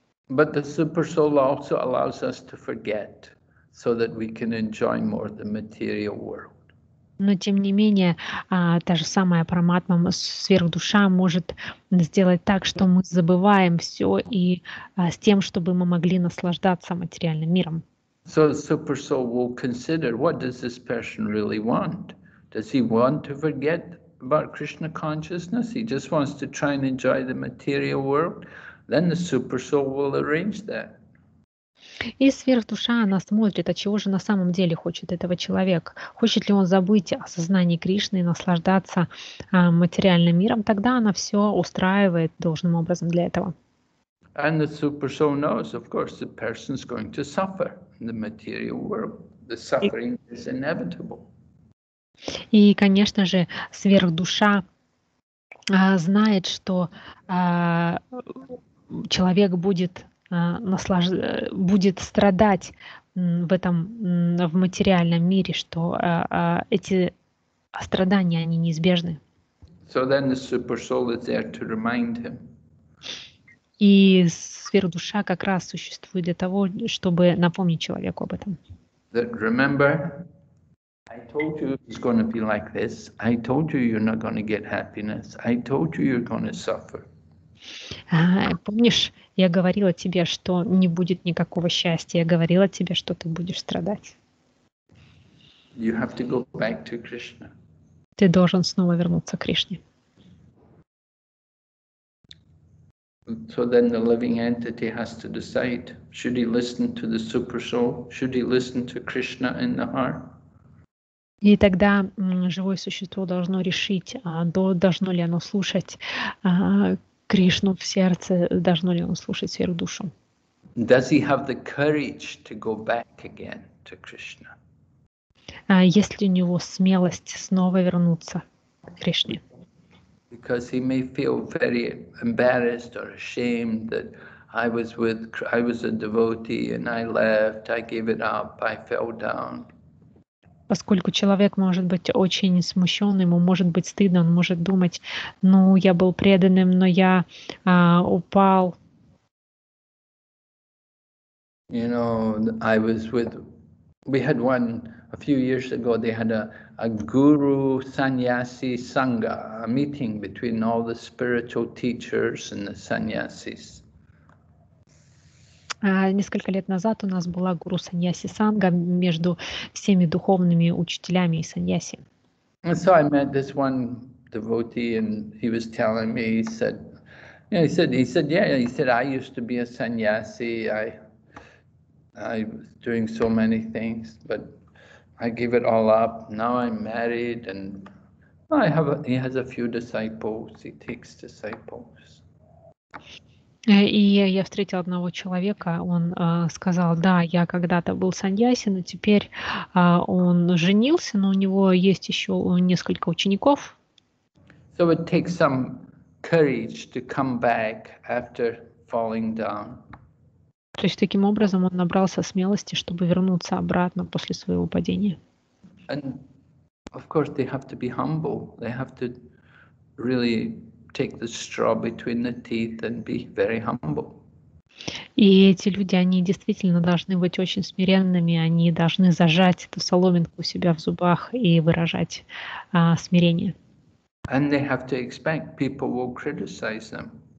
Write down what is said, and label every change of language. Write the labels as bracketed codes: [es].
[en] But the super soul also allows us to forget so that we can enjoy more the material world. [ru] Но тем не менее, та же самая Параматма, сверхдуша, может сделать так, что мы забываем все и с тем, чтобы мы могли наслаждаться материальным миром. [en] So the super soul will consider, what does this person really want? Does he want to forget about Krishna consciousness? He just wants to try and enjoy the material world. Then the super soul will arrange that. [ru] И сверхдуша, она смотрит, а чего же на самом деле хочет этого человека? Хочет ли он забыть о сознании Кришны и наслаждаться материальным миром? Тогда она все устраивает должным образом для этого. [en] And the super soul knows, of course, the person's going to suffer in the material world. The suffering is inevitable. [ru] И, конечно же, сверхдуша знает, что человек будет будет страдать в этом в материальном мире, что эти страдания они неизбежны. [en] So then the super soul is there to remind him. [ru] И сверхдуша как раз существует для того, чтобы напомнить человеку об этом. [en] That remember, I told you it's going to be like this. I told you you're not going to get happiness. I told you you're going to suffer. [ru] Помнишь, я говорила тебе, что не будет никакого счастья. Я говорила тебе, что ты будешь страдать. [en] You have to go back to Krishna. [ru] Ты должен снова вернуться к Кришне. [en] So then the living entity has to decide, should he listen to the super soul? Should he listen to Krishna in the heart? [ru] И тогда живое существо должно решить, должно ли оно слушать Кришну в сердце, должно ли оно слушать сверхдушу. [en] Does he have the courage to go back again to Krishna? [ru] Есть ли у него смелость снова вернуться к Кришне? [en] Because he may feel very embarrassed or ashamed that I was a devotee and I left, I gave it up, I fell down. [ru] Поскольку человек может быть очень смущен, ему может быть стыдно, он может думать, ну, я был преданным, но я упал. [en] You know, I was with, we had one, a few years ago, they had a guru sannyasi sangha, a meeting between all the spiritual teachers and the sannyasis. [ru] Несколько лет назад у нас была гуру саньяси санга между всеми духовными учителями и саньяси. [en] So I met this one devotee and he was telling me, he said, I used to be a sannyasi, I was doing so many things, but I gave it all up. Now I'm married and he has a few disciples, he takes disciples. [ru] И я встретил одного человека, он сказал, да, я когда-то был саньяси, но теперь он женился, но у него есть еще несколько учеников. [en] So it takes some courage to come back after falling down. [ru] То есть таким образом он набрался смелости, чтобы вернуться обратно после своего падения. [en] And of course they have to be humble, they have to really take the straw between the teeth and be very humble. [ru] И эти люди, они действительно должны быть очень смиренными, они должны зажать эту соломинку у себя в зубах и выражать смирение. [en] And they have to expect people will criticize them.